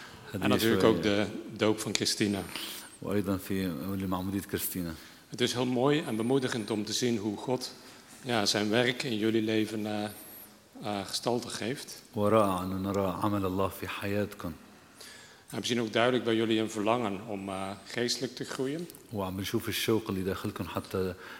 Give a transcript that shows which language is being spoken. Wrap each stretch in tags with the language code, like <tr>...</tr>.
<ar>انا</ar> <nl>natuurlijk ook de doop van Christina</nl> <ar>وايضا في معمودية كريستينا</ar> <nl>het is heel mooi en bemoedigend om te zien hoe God zijn werk in jullie leven gestalte geeft</nl> <ar>ورائع ان نرى عمل الله في حياتكم</ar> <nl>we zien ook duidelijk bij jullie een verlangen om geestelijk te groeien</nl> <ar>وعم نشوف الشوق اللي داخلكم حتى</ar>